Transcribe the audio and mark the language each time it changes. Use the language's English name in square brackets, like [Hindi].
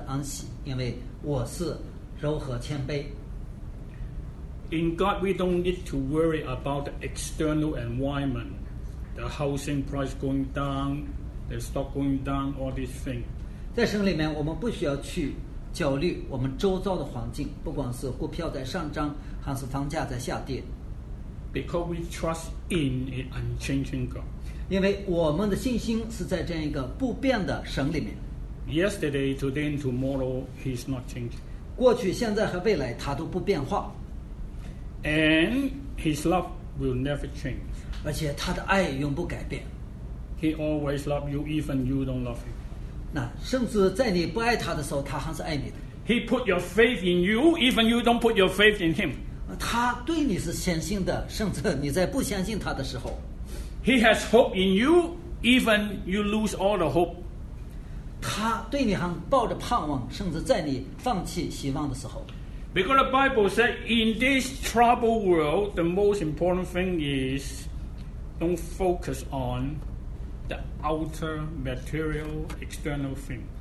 [Chinese] 如果你感受到压力较重呢，圣经上讲，在我里面你会寻得安息，因为我是柔和谦卑。 [English] In God, we don't need to worry about the external environment, the housing price going down, the stock going down, all these things. [Chinese] 在神里面，我们不需要去焦虑我们周遭的环境，不管是股票在上涨，还是房价在下跌。 [English] Because we trust in an unchanging God. [Chinese] 因为我们的信心是在这样一个不变的神里面。 [English] Yesterday, today, and tomorrow, He's not changing. [Chinese] 过去、现在和未来，他都不变化。 [English] And His love will never change. [Chinese] 而且他的爱永不改变。 [English] He always loves you even you don't love Him. [Chinese] 那甚至在你不爱他的时候，他还是爱你的。 [English] He put your faith in you even you don't put your faith in Him. [Chinese] 他对你是相信的，甚至你在不相信他的时候。 [English] He has hope in you even you lose all the hope. [Chinese] 他对你还抱着盼望，甚至在你放弃希望的时候。 [English] Because the Bible said, in this troubled world, the most important thing is don't focus on the outer material external thing.